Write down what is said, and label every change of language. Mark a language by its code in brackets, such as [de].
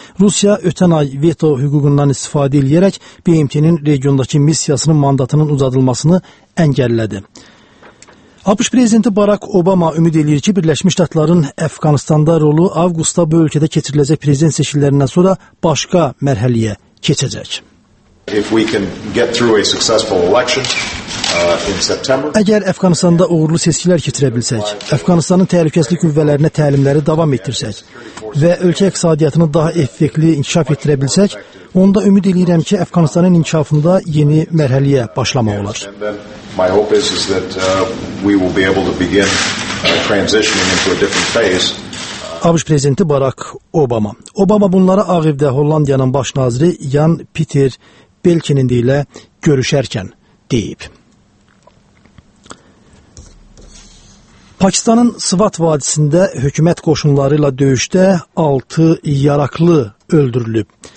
[az] Rusiya ötən ay veto hüququndan istifadə edərək BMT-nin regiondakı missiyasının mandatının uzadılmasını əngəllədi. ABŞ prezidenti Barack Obama ümid edir ki, Birləşmiş Ştatların Əfqanıstanda rolu avqustda bu ölkədə keçiriləcək prezident seçkilərindən sonra başqa mərhələyə keçəcək. [en] If we can get through a successful election in September. [az] Əgər Əfqanıstanda uğurlu seçkilər keçirə bilsək, Əfqanıstanın təhlükəsizlik qüvvələrinə təlimləri davam etdirsək və ölkə iqtisadiyyatını daha effektli inkişaf etdirə bilsək, onda ümid edirəm ki, Əfqanıstanın inkişafında yeni mərhələyə başlamaq olar. [en] My hope is that we will be able to begin transitioning into a different phase. [az] ABŞ prezidenti Barack Obama. Obama bunları Ağ Evdə Hollandiyanın baş naziri Jan Peter Belkinin ilə görüşərkən deyib. Pakistanın Swat vadisində hökumət qoşunları ilə döyüşdə 6 yaraqlı öldürülüb.